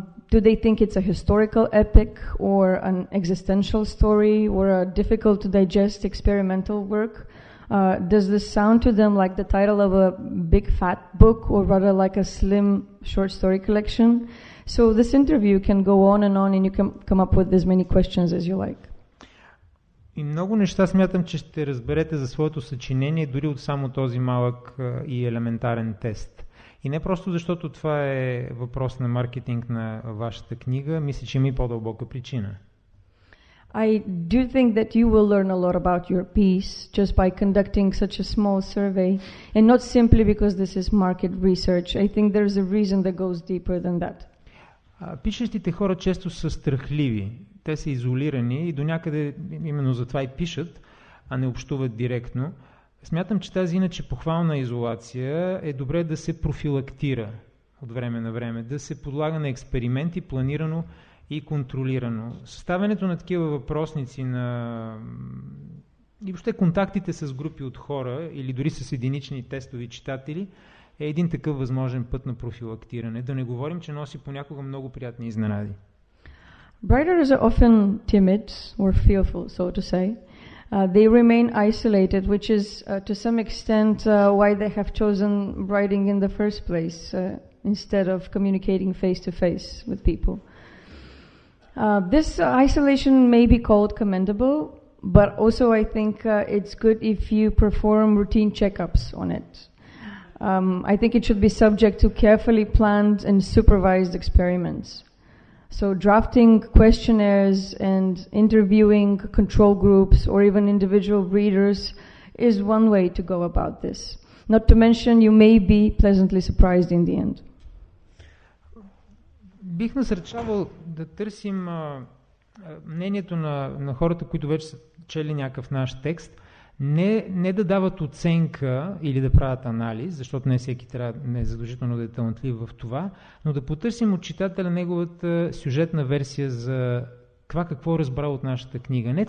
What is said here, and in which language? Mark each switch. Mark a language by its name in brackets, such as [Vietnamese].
[English] Do they think it's a historical epic or an existential story or a difficult to digest experimental work? Does this sound to them like the title of a big fat book or rather like a slim short story collection? So this interview can go on and on and you can come up with as many questions as you like. [Bulgarian] И много неща смятам, че ще разберете за своето съчинение дори от само този малък и елементарен тест. И не просто защото това е въпрос на маркетинг на вашата книга, мисля, че има и по-дълбока причина. [English] I do think that you will learn a lot about your piece just by conducting such a small survey, and not simply because this is market research. I think there's a reason that goes deeper than that. [Bulgarian] Пишещите хора често са страхливи. Те са изолирани и до някъде именно затова и пишат, а не общуват директно. Смятам, че тази иначе похвална изолация е добре да се профилактира от време на време, да се подлага на експерименти планирано и контролирано. Съставянето на такива въпросници на и въобще контактите с групи от хора или дори с единични тестови читатели е един такъв възможен път на профилактиране. Да не говорим, че носи понякога много приятни изненади. [English] Writers are often timid or fearful, so to say. They remain isolated, which is to some extent why they have chosen writing in the first place instead of communicating face to face with people. This isolation may be called commendable, but also I think it's good if you perform routine checkups on it. I think it should be subject to carefully planned and supervised experiments. So drafting questionnaires and interviewing control groups or even individual readers is one way to go about this. Not to mention you may be pleasantly surprised in the end. [Bulgarian] Бих насърчавал да търсим мнението на хората, които вече са чели някакъв наш текст, не да дават оценка или да правят анализ, защото не всеки трябва не задължително да е талантлив в това, но да потърсим от читателя неговата сюжетна версия за това какво е разбрал от нашата книга.